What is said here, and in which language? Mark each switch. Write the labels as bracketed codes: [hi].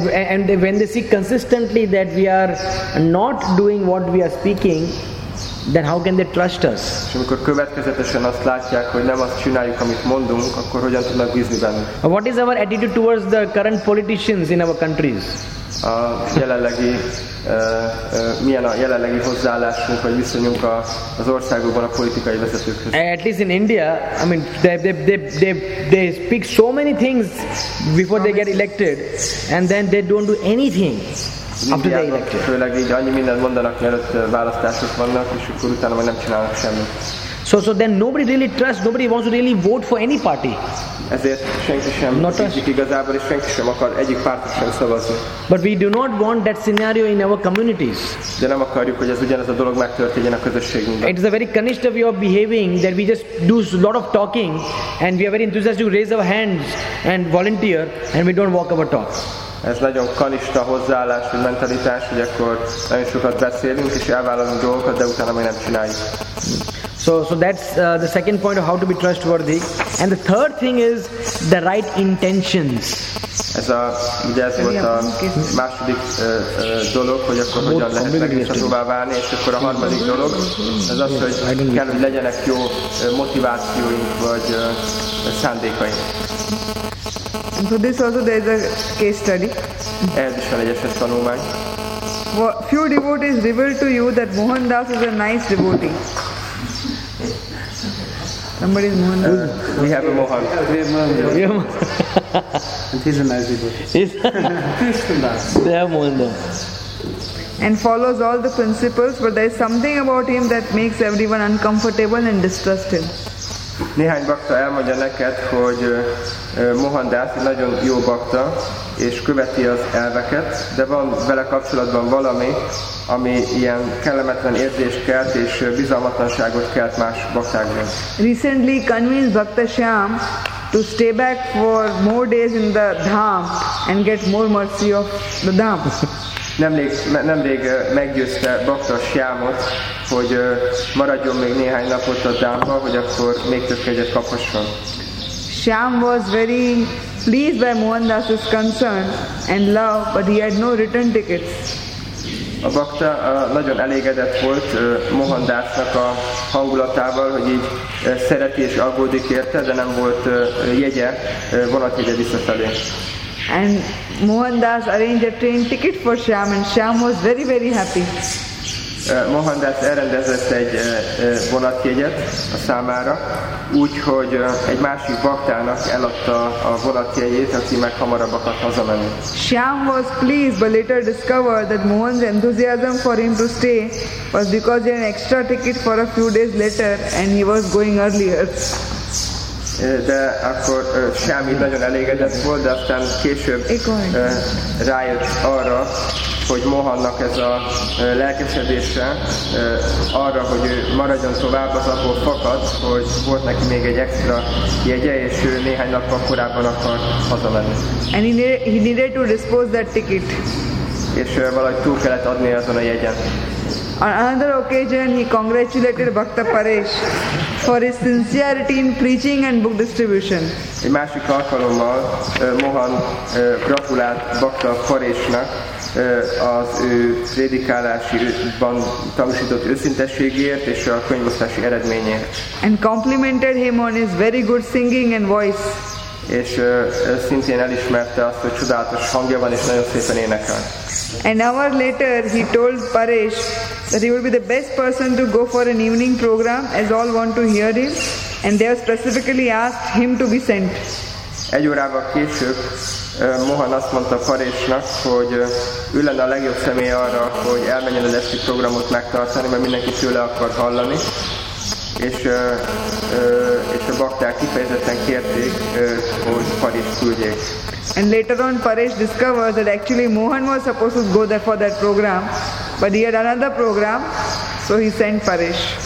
[en] And when they see consistently that we are not doing what we are speaking, then how can they trust us? [hu] És amikor következetesen azt látják, hogy nem azt csináljuk, amit mondunk, akkor hogyan tudnak bízni bennünk? [en] What is our attitude towards the current politicians in our countries? [hu] a jelenlegi milyen a jelenlegi hozzáállásunk vagy viszonyunk az országokban a politikai vezetőkhöz. [en] At least in India, I mean, they speak so many things before they get elected, and then they don't do anything after they elected. [hu] Főleg így annyi mindent mondanak, mielőtt választások vannak, és akkor utána meg nem csinálnak semmit. [en] So then nobody really trusts, nobody wants to really vote for any party. [hu] Ezért senki sem bízik igazából, és senki sem akar egyik pártot sem szavazni. [en] But we do not want that scenario in our communities. [hu] De nem akarjuk, hogy ez ugyanez a dolog megtörténjen a közösségünkben. [en] It is a very Kanishta way of behaving that we just do a lot of talking and we are very enthusiastic to raise our hands and volunteer and we don't walk our talk. [hu] Ez nagyon kanista hozzáállás, vagy mentalitás, hogy akkor nagyon sokat beszélünk és elvállalunk dolgokat, de utána meg nem csináljuk. [en] So that's the second point of how to be trustworthy, and the third thing is the right intentions. [hu] Ez a ugye ez volt a második dolog, hogy akkor hogyan lehet megbízhatóvá válni, és akkor a harmadik dolog ez az, hogy kell, hogy legyenek jó motivációink vagy szándékaink. [en] So this also there is a case study. [hu] Ez is van egy eset tanulmány. [en] Few devotees reveal to you that Mohandas is a nice devotee. Somebody is Mohan. We have a Mohan. We have Mohan. And he's a nice people. He's Mohan. And follows all the principles, but there is something about him that makes everyone uncomfortable and distrust him. [hu] Néhány bakta elmondja neked, hogy Mohan Das egy nagyon jó bakta, és követi az elveket, de van vele kapcsolatban valami, ami ilyen kellemetlen érzést kelt, és bizalmatlanságot kelt más baktákban. [en] Recently convinced Bhakta Shyam to stay back for more days in the dham and get more mercy of the dham. [hu] Nemrég meggyőzte Bhakta Shyamot, hogy maradjon még néhány napot a dhamba, hogy akkor még több kegyet kaphasson. [en] Shyam was very pleased by Mohandas's concern and love, but he had no return tickets. [hu] A bakta nagyon elégedett volt Mohandasnak a hangulatával, hogy így szereti és aggódik érte, de nem volt jegye, vonatjegye visszafelé. [en] And Mohandas arranged a train ticket for Shyam, and Shyam was very, very happy. [hu] Mohandas elrendezett egy vonatjegyet a számára, úgyhogy egy másik baktának eladta a vonatjegyét, aki meg hamarabb akart hazamenni. [en] Shyam was pleased, but later discovered that Mohan's enthusiasm for him to stay was because he had an extra ticket for a few days later, and he was going earlier. [hu] De akkor Shyam nagyon elégedett volt, de aztán később rájött arra, hogy Mohannak ez a lelkesedése arra, hogy ő maradjon tovább, az abból fakad, hogy volt neki még egy extra jegye, és ő néhány nappal korábban akart hazamenni. [en] And he needed to dispose that ticket. [hu] És valahogy túl kellett adni azon a jegyen. [en] On another occasion, he congratulated Bhakta Paresh for his sincerity in preaching and book distribution. [hu] Egy másik alkalommal Mohan gratulált Bhakta Paresh-nak az ő prédikálásiban tanúsított őszintességért és a könyvosztási eredményért. [en] And complimented him on his very good singing and voice. [hu] És szintén elismerte azt, hogy csodálatos hangja van és nagyon szépen énekel. [en] An hour later, he told Paresh that he would be the best person to go for an evening program, as all want to hear him, and they have specifically asked him to be sent. [hu] Egy órával később Mohan azt mondta Paresh-nak, hogy ő lenne a legjobb személy arra, hogy elmenjen az esti programot megtartani, mert mindenki tőle akar hallani. És a bakták kifejezetten kérték, hogy Paresh küldjék. [en] And later on, Paresh discovered that actually Mohan was supposed to go there for that program, but he had another program, so he sent Paresh.